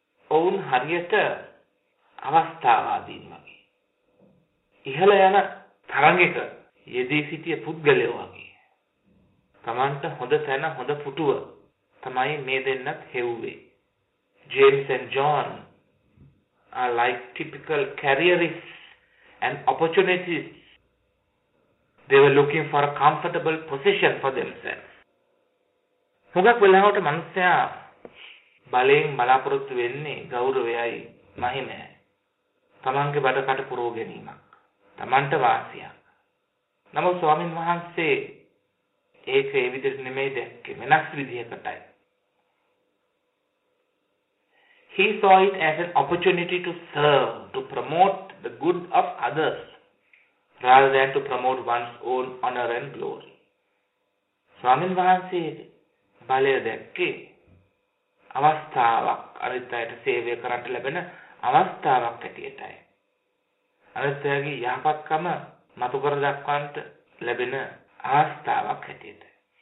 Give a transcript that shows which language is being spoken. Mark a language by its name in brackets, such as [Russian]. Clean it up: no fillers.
[Sinhala] ඔවුන් හරියට අවස්ථාවාදීන් වගේ, ඉහළ යන තරඟයක යෙදී සිටිය පුද්ගලයෝ වගේ. තමන්ට හොඳ තැන හොඳ පුටුව තමයි මේ දෙන්නත් හෙව්වේ. James and John [English] are like typical careerists and opportunists. They were looking for a comfortable position for themselves. [Sinhala] හුඟක් වෙලාවට මනුස්සයා බලෙන් බලාපොරොත්තු වෙන්නේ ගෞරවයයි මහිමයි. තමන්ගේ බඩකට පුරව ගැනීමක්. තමන්ට වාසියක්. නමුත් ස්වාමීන් වහන්සේ ඒක ඒ විදිහට නෙමෙයි දැක්කේ. වෙනස් විදිහකටයි. [English] He saw it as an opportunity to serve, to promote the good of others, rather than to promote one's own honor and glory. [Sinhala] ස්වාමීන් වහන්සේ බලය දැක්කේ අවස්ථාවක් අනිත් අයට සේවය කරන්න ලැබෙන අවස්ථාවක් ඇටියටයි. අනිත් අයගේ යහපත්කම මතු කර දක්වන්න ලැබෙන අවස්ථාවක් ඇටියටයි.